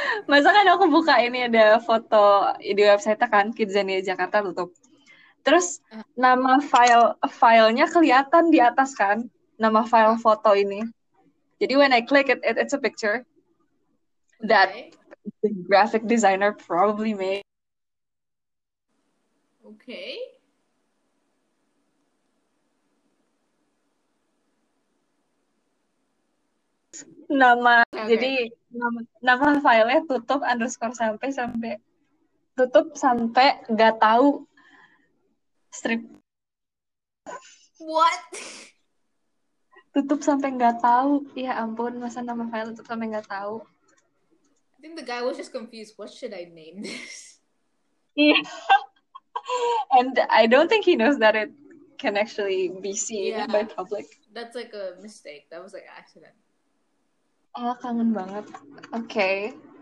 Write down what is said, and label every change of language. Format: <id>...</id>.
<id>Masa kan aku buka ini ada foto di website kan Kidzania Jakarta tutup. Terus nama filenya kelihatan di atas kan, nama file foto ini. Jadi</id> <en>when I click it, it's a picture that the graphic designer probably made. Okay.</en> <id>Nama okay. Jadi nama filenya tutup underscore sampai tutup sampai nggak tahu strip</id> <en>what</en> <id>tutup sampai nggak tahu, ya ampun, masa nama file tutup sampai nggak tahu.</id> <en>I think the guy was just confused, what should I name this? Yeah. And I don't think he knows that it can actually be seen, yeah, by public. That's like a mistake, that was like an accident.</en> <id>Oh, kangen banget. Okay.</id>